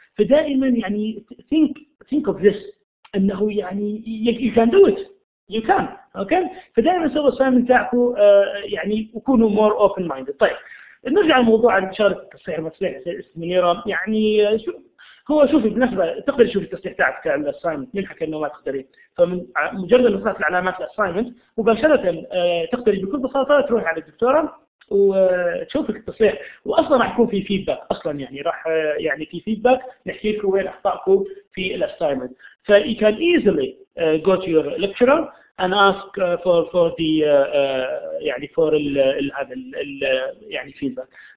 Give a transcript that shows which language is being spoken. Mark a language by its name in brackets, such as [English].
[Arabic] فدائما يعني [English] think of this [Arabic] انه يعني [English] you can do it you can okay. [Arabic] فدائما سووا assignment تاعكم يعني وكونوا [English] more open minded. [Arabic] طيب نرجع لموضوع انتشار التصحيح المصريح منيره، يعني شو هو شوفي بالنسبه تقدر تشوف التصحيح تاعك في الاساينمنت من حكى انه ما تقدري، فمن مجرد ما تطلع العلامات الاساينمنت مباشره تقدري بكل بساطه تروح على الدكتوره وتشوفك التصحيح، واصلا راح يكون في فيدباك اصلا يعني راح يعني في فيدباك نحكي لكم وين اخطائكم في الاساينمنت. [English] ف you can easily go to your lecturer and ask for the يعني for [Arabic] هذا يعني فيدباك.